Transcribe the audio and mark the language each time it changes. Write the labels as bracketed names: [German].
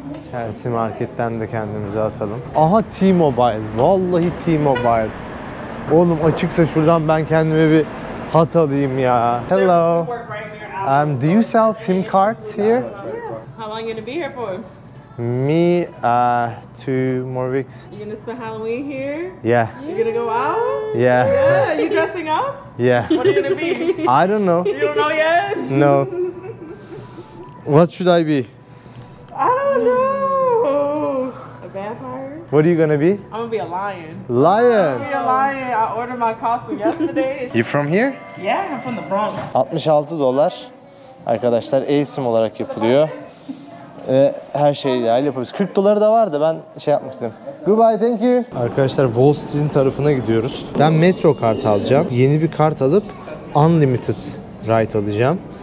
[Turkish] Chelsea Market'ten de kendimize atalım. Aha T-Mobile. Vallahi T-Mobile. Oğlum açıksa şuradan ben kendime bir hat alayım ya. [English] Hello. Do you sell SIM cards here? Yeah. How long are you gonna be here for? Me, 2 more weeks. You gonna spend Halloween here? Yeah. You gonna go out? Yeah. Yeah. You dressing up? Yeah. What are you gonna be? I don't know. You don't know yet? No. What should I be? I don't know. Vampire? What are you gonna be? I'm gonna be a lion. Lion? I'm gonna be a lion. I ordered my costume yesterday. You from here? Yeah, I'm from the Bronx. [Turkish] $66 arkadaşlar eSIM olarak yapılıyor. her şeyi dahil yapabiliriz. $40 da vardı ben şey yapmak istedim. [English] Goodbye, thank you. [Turkish] Arkadaşlar Wall Street'in tarafına gidiyoruz. Ben metro kart alacağım. Yeni bir kart alıp [English] unlimited ride [Turkish] alacağım.